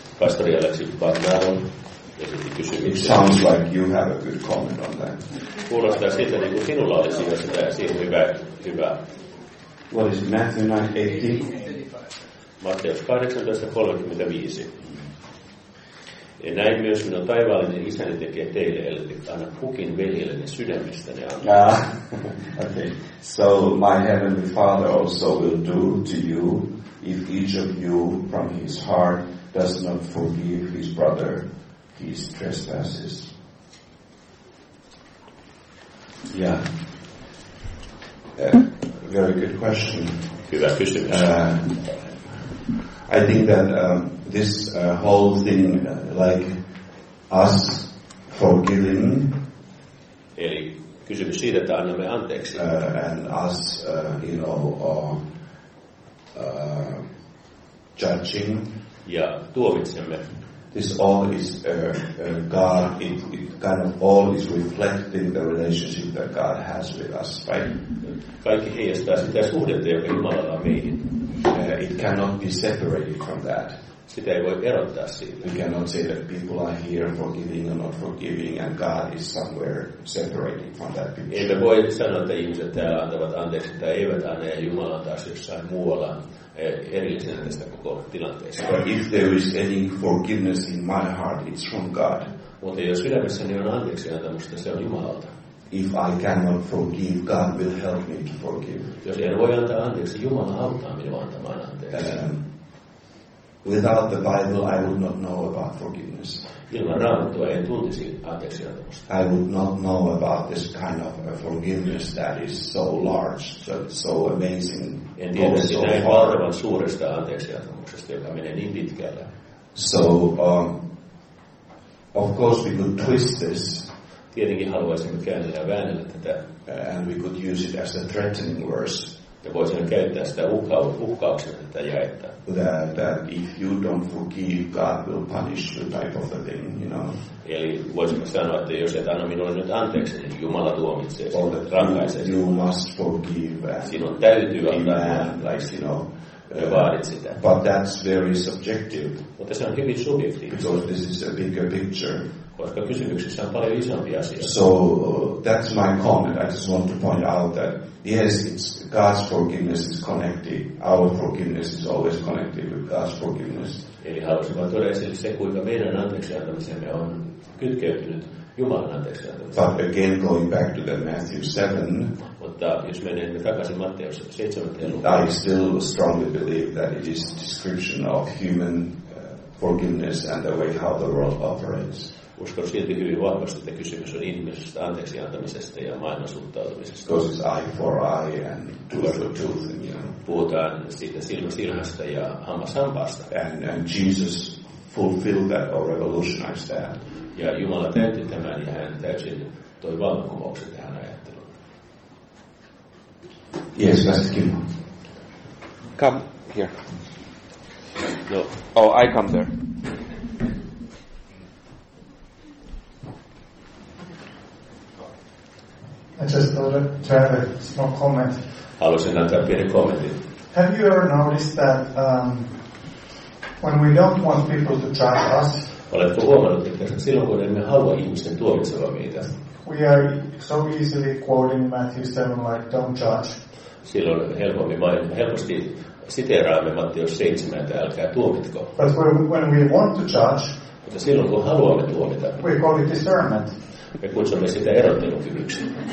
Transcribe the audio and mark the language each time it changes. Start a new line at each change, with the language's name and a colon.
Finnish: Pastori Aleksi Barnaron esitti kysymyksen.
English: It sounds like you have a good comment on that.
Finnish: Kuulostaa siltä, niin kuin sinulla olisi jo sitä siihen hyvä.
English: What is Matthew 9:18?
Finnish: Matteus 18:35. Ja näin myös minun taivaallinen isäni tekee teille, eli anna kukin veljelleni sydämestä ne antaa. Okay.
English: So my heavenly Father also will do to you if each of you from his heart does not forgive his brother his trespasses. Yeah. Very good question.
Finnish: Hyvä kysymys.
English: I think that this whole thing, like us forgiving,
Finnish: eli kysymys siitä, että annamme anteeksi,
English: and us, you know, judging,
Finnish: ja tuomitsemme.
English: This all is God. It kind of all is reflecting the relationship that God has with us, right?
Finnish: Kaikki heijastaa sitä suhdetta, joka Jumalalla on meihin.
English: It cannot be separated from that.
Finnish: Sitä ei voi erottaa siitä.
English: We cannot say that people are here forgiving or not forgiving, and God is somewhere separated from that.
Finnish: Emme voi sanoa, että ihmiset täällä antavat anteeksi tai eivät anna, ja Jumala taas jossain muualla erillisenä tästä koko tilanteesta.
English: But if there is any forgiveness in my heart, it's from God.
Finnish: Mutta jos sydämessäni on anteeksi antamusta, se on Jumalalta.
English: If I cannot forgive, God will help me to forgive.
Finnish: Jos en voi antaa anteeksi, Jumala auttaa minua antamaan anteeksi.
English: Without the Bible, I would not know about forgiveness.
Finnish: Ilman Raamattua en tuntisi anteeksi antamusta.
English: I would not know about this kind of forgiveness that is so large, so amazing.
Finnish: En tiedäisi näin valtavan suuresta anteeksi antamuksesta, joka menee niin pitkälle.
English: So, of course, we could twist this.
Finnish: Tietenkin haluaisimme käännellä ja väännellä tätä.
English: And we could use it as a threatening verse.
Finnish: Ja voisimme käyttää sitä uhkauksena tätä jaetta.
English: That if you don't forgive, God will punish you type of a thing, you know.
Finnish: Eli voisimme sanoa, että jos et anna minulle nyt anteeksi, niin Jumala tuomitsee sinut, well, rankaisee
English: sinut. You must forgive.
Finnish: Sinun täytyy antaa.
English: Like, you know.
Finnish: Ja vaadit sitä.
English: But that's very subjective.
Finnish: Mutta se on hyvin subjektiivista.
English: Because this is a bigger picture.
Finnish: Koska kysymyksessä on paljon isompia asioita.
English: So that's my comment. I just want to point out that yes, it's God's forgiveness is connected. Our forgiveness is always connected with God's forgiveness.
Finnish: Eli halusin vaan tuoda esille se, kuinka meidän anteeksiantamisemme on kytkeytynyt Jumalan anteeksiantamiseen.
English: But again, going back to that Matthew 7.
Finnish: Mutta jos menemme takaisin Matteus 7.
English: I still strongly believe that it is a description of human forgiveness and the way how the world operates.
Finnish: Uskon silti hyvin vahvasti, että kysymys on ihmisestä anteeksi antamisesta ja maailman suhtautumisesta.
English: Because it's eye for eye and tooth for tooth.
Finnish: Puhutaan siitä silmä silmästä ja hammas hampaasta.
English: And Jesus fulfilled that or revolutionized that. Ja Jumala täytti tämän ja hän täysin toi vallankumouksen tähän ajatteluun. Yes, Pastor Kimmo. Come here. No. Oh, I come there. I just wanted to have a small comment.
Finnish: Haluaisin antaa pienen kommentin.
English: Have you ever noticed that when we don't want people to judge us,
Finnish: oletko huomannut, että silloin kun emme halua ihmisten tuomitsevan meitä,
English: we are so easily quoting Matthew 7, like, don't judge.
Finnish: Silloin helposti siteeraamme Matteus 7, että älkää tuomitko.
English: But when we want to judge,
Finnish: mutta silloin kun haluamme tuomita,
English: we call it discernment.
Finnish: Me kutsumme sitä erottelukyvyksi.